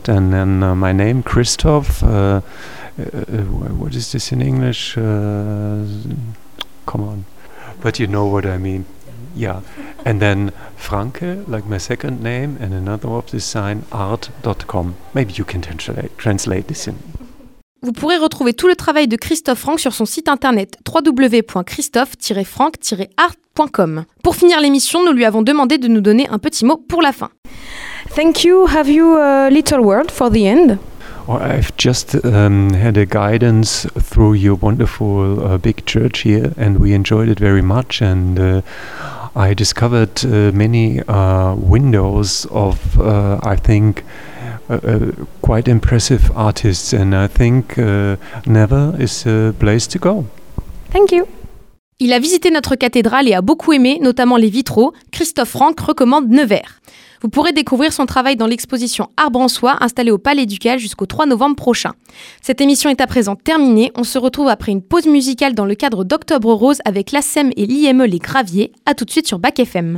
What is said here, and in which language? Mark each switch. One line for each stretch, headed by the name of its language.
English: And then my name, Christoph, what is this in English? Come on. But you know what I mean. Yeah. And then Franke, like my second name, and another of this sign, art.com. Maybe you can translate this in.
French: Vous pourrez retrouver tout le travail de Christophe Franck sur son site internet www.christophe-franck-art.com. Pour finir l'émission, nous lui avons demandé de nous donner un petit mot pour la fin.
English: Thank you. Have you a little word for the end? Well, I've just had a guidance through your wonderful big church here and we enjoyed it very much. And I discovered many windows of, I think, quite impressive artists, and I think Nevers is a place to go. Thank you.
French: Il a visité notre cathédrale et a beaucoup aimé, notamment les vitraux. Christophe Franck recommande Nevers. Vous pourrez découvrir son travail dans l'exposition Arbre en soie, installée au Palais Ducal jusqu'au 3 novembre prochain. Cette émission est à présent terminée. On se retrouve après une pause musicale dans le cadre d'Octobre Rose avec l'ASEM et l'IME Les Graviers. A tout de suite sur BAC FM.